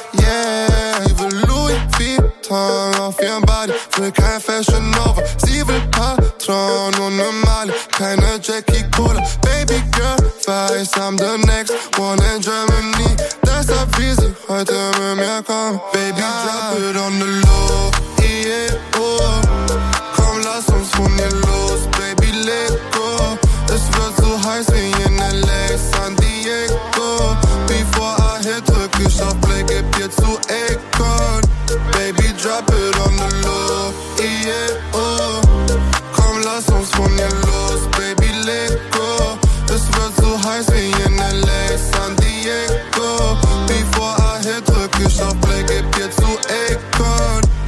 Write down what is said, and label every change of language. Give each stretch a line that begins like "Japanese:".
German: Yeah, ich will Louis Vuitton auf ihrem Body. Will kein Fashion Nova, sie will Patron und ne Mali. Keine Jackie Cola, Baby Girl, weiß,
English: I'm the next one in Germany.
German: Deshalb wie sie heute mit mir kommen.
English: Baby, drop it on the low, yeah, oh.
German: Komm, lass uns von hier los,
English: Baby, let go.
German: Es wird so heiß wie in L.A., San Diego. Bevor
English: I hit,
German: drück ich auf Play, gib dir zu Akon.
English: Baby, drop it on the low, yeah, oh.
German: Komm, lass uns von hier los,
English: Baby, let go.
German: Es wird so heiß wie in L.A., San Diego. Bevor
English: I hit,
German: drück ich auf Play, gib dir zu Akon.